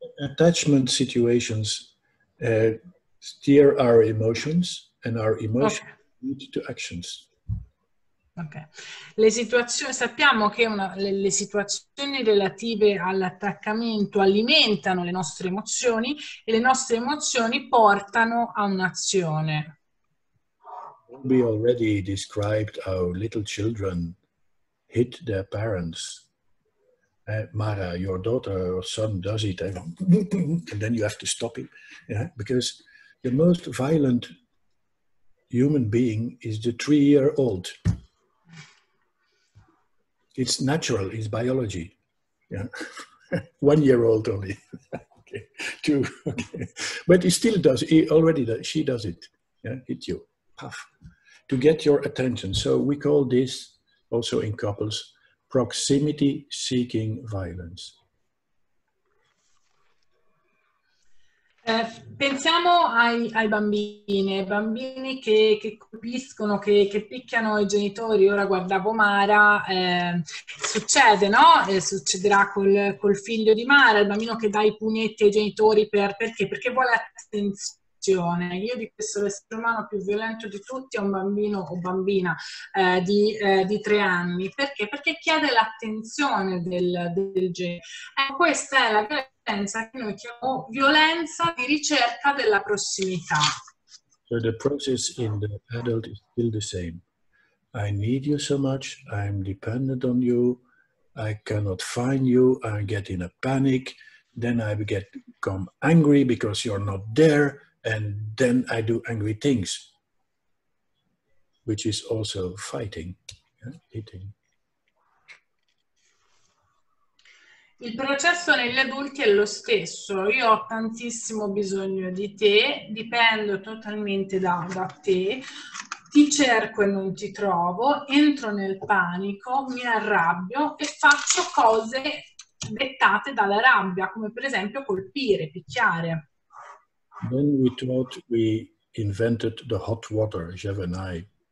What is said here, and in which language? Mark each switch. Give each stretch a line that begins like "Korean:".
English: Attachment situations steer our emotions and our emotions lead to actions.
Italian: Ok, le situazioni, sappiamo che le situazioni relative all'attaccamento alimentano le nostre emozioni e le nostre emozioni portano a un'azione.
English: We already described how little children hit their parents. Mara, your daughter or son does it, and then you have to stop it. Yeah? Because the most violent human being is the 3-year-old. It's natural, it's biology. Yeah. 1-year-old only. Okay. 2. Okay. But he still does, he already does, she does it. Yeah. Hit you. Puff. To get your attention. So we call this also in couples proximity seeking violence.
Italian: Pensiamo ai bambini che colpiscono, che picchiano i genitori. Ora guardavo Mara, succede, no? Succederà col figlio di Mara, il bambino che dà i pugnetti ai genitori perché? Perché vuole attenzione. Io di questo essere umano più violento di tutti è un bambino o bambina di 3 anni. Perché? Perché chiede l'attenzione del genitore. Questa è la violenza che noi chiamiamo violenza di ricerca della prossimità.
English: So the process in the adult is still the same. I need you so much, I'm dependent on you, I cannot find you, I get in a panic, then I become angry because you're not there, And then I do angry things, which is also fighting, yeah? Eating.
Italian: Il processo negli adulti è lo stesso. Io ho tantissimo bisogno di te, dipendo totalmente da te. Ti cerco e non ti trovo, entro nel panico, mi arrabbio e faccio cose dettate dalla rabbia, come per esempio colpire, picchiare.
English: Then we thought we invented the hot water, Jeff and I.